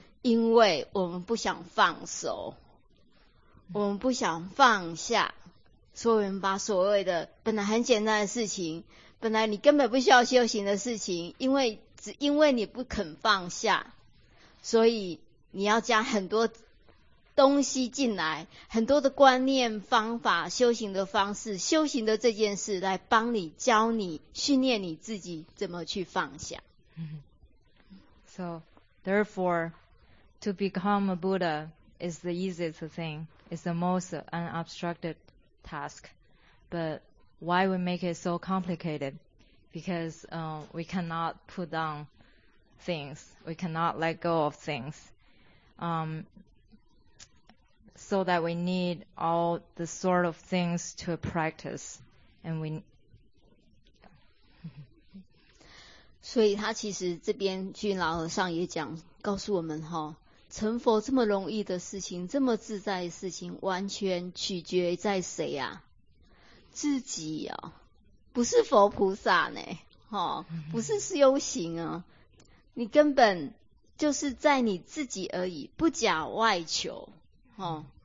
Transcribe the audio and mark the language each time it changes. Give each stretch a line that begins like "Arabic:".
Chinese: 因为我们不想放手，我们不想放下，所以我们把所谓的本来很简单的事情，本来你根本不需要修行的事情，因为你不肯放下，所以你要加很多东西进来，很多的观念、方法、修行的方式、修行的这件事来帮你、教你、训练你自己怎么去放下。
English: So, therefore, to become a Buddha is the easiest thing, is the most unobstructed task. But why we make it so complicated? Because we cannot put down things. We cannot let go of things. So that we need all the sort of things to practice, and we.
Chinese: 所以他其实这边俊老和尚也讲，告诉我们哈，成佛这么容易的事情，这么自在的事情，完全取决在谁啊？自己啊，不是佛菩萨呢，哈，不是修行啊，你根本就是在你自己而已，不假外求，哈。